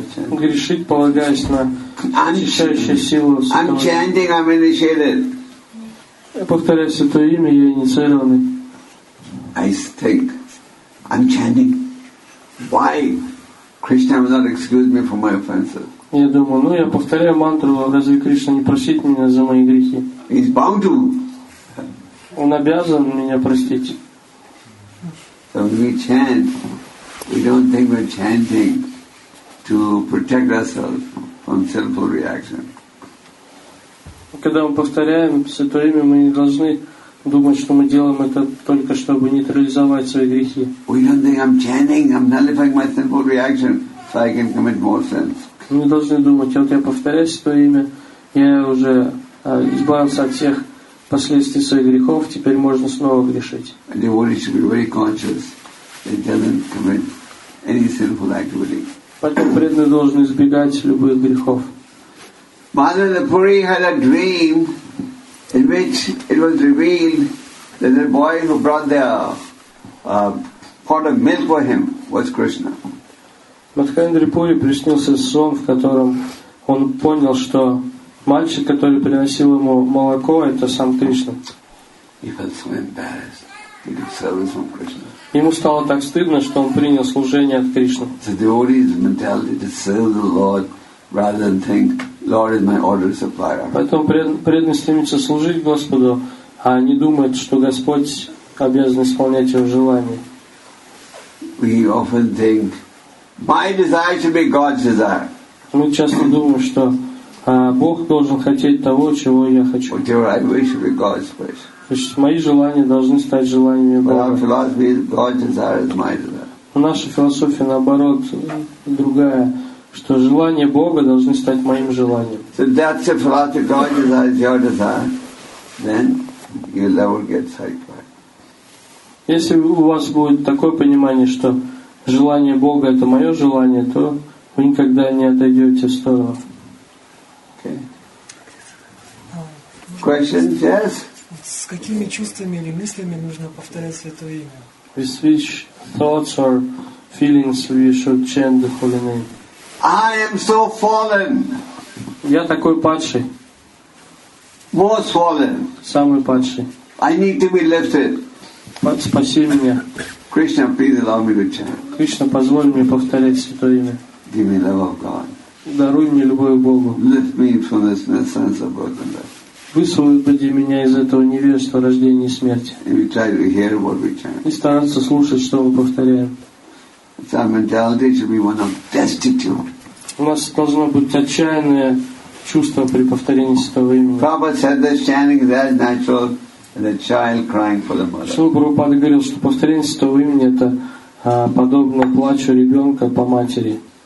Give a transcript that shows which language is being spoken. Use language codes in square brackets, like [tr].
[ru] Грешить, полагаясь на очищающую силу. [en] I'm chanting, I'm initiated. [ru] Я повторяю святое имя, я инициированный. [en] I think, I'm chanting. Why? Krishna will not excuse me for my offenses. [ru] Я думаю, ну я повторяю мантру, разве Кришна не простит меня за мои грехи? [en] He's bound to. [ru] Он обязан меня простить. [en] So we chant, we don't think we're chanting to protect ourselves from sinful reaction. [ru] Когда мы повторяем святое имя, мы не должны думать, что мы делаем это только чтобы нейтрализовать свои грехи. [en] We don't think I'm chanting, I'm nullifying my sinful reaction so I can commit more sins. [ru] Мы не должны думать, вот я повторяю святое имя, я уже избавился от всех последствий своих грехов, теперь можно снова грешить. [en] A devotee should be very conscious that he doesn't commit any sinful activity. [ru] Поэтому преданные должны избегать любых грехов. [en] Madhava Puri had a dream in which it was revealed that the boy who brought the pot of milk for him was Krishna. [ru] Мадхавендра Пури приснился сон, в котором он понял, что мальчик, который приносил ему молоко, это сам Кришна. [en] He felt so embarrassed. He took service from Krishna. [ru] Ему стало так стыдно, что он принял служение от Кришны. [en] The devotee's mentality to serve the Lord rather than think Lord is my order supplier. [ru] Поэтому преданный стремится служить Господу, а не думает, что Господь обязан исполнять его желание. [en] We often think my desire should be God's desire. [ru] Мы часто думаем, что Бог должен хотеть того, чего я хочу. [en] Whatever I wish should be God's wish. [ru] То есть мои желания должны стать желаниями Бога. [en] But our philosophy is God's desire is my desire. [ru] Наша философия наоборот другая, что желания Бога должны стать моим желанием. [en] So that's the philosophy. God's desire is your desire. Then you'll never get satisfied. [ru] Если у вас будет такое понимание, что желание Бога это мое желание, то вы никогда не отойдете в сторону. [en] Questions? Yes. [ru] С какими чувствами или мыслями нужно повторять святое имя? [en] With which thoughts or feelings we should chant the holy name? I am so fallen. [ru] Я такой падший. [en] Most fallen. [ru] Самый падший. [en] I need to be lifted. [ru] Спаси меня. [en] Krishna, please allow me to chant. [ru] Кришна, позволь мне повторять святое имя. [en] Give me love of God. [ru] Даруй мне любовь к Богу. [en] Lift me from this sense of birth and death. [ru] Высвободи меня из этого невежества рождения и смерти. [en] We try to hear what we chant. [ru] И стараться слушать, что мы повторяем. [en] Our mentality should be one of destitute. [ru] У нас должно быть отчаянное чувство при повторении святого имени. [en] Prabhupada said that chanting is as natural as a child crying for the mother. [ru] Шрила Прабхупада говорил, что повторение святого имени это подобно плачу ребенка по матери.